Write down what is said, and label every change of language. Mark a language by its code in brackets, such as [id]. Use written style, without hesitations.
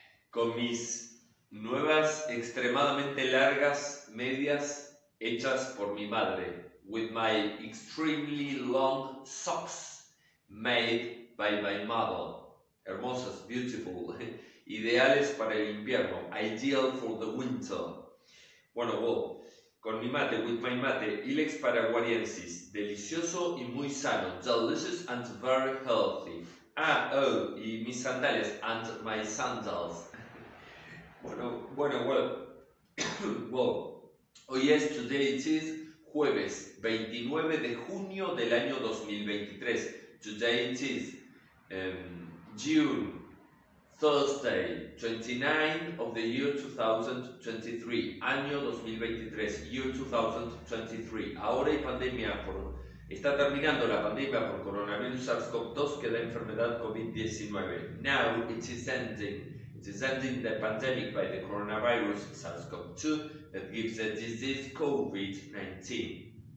[es] Con mis nuevas, extremadamente largas medias hechas por mi madre. [en] With my extremely long socks made by my mother. [es] Hermosas, [en] beautiful. [es] Ideales para el invierno. [en] Ideal for the winter. [es] Bueno, vos. Con mi mate, [en] with my mate, Ilex paraguariensis, [es] delicioso y muy sano, [en] delicious and very healthy. Ah, oh, [es] y mis sandales, [en] and my sandals. [es] Bueno, hoy es, [en] today it is, [es] jueves 29 de junio del año 2023. [en] Today it is, June, Thursday, 29 of the year 2023, [es] año 2023, [en] year 2023. [es] Ahora hay pandemia, está terminando la pandemia por coronavirus SARS-CoV-2, que es la enfermedad COVID-19. [en] Now it is ending. It is ending the pandemic by the coronavirus SARS-CoV-2 that gives the disease COVID-19.